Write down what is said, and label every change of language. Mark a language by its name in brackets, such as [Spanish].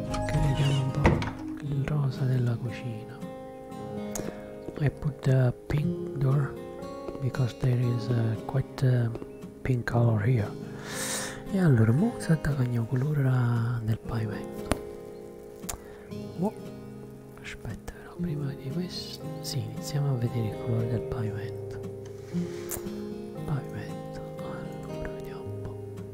[Italian] Che richiama un po' il rosa della cucina. [English] I put the pink door because there is quite pink color here. [Italian] E allora, mo si attaccano colore nel pavimento. Aspetta, però prima di questo. Sì, iniziamo a vedere il colore del pavimento. pavimento. Allora, vediamo un po'.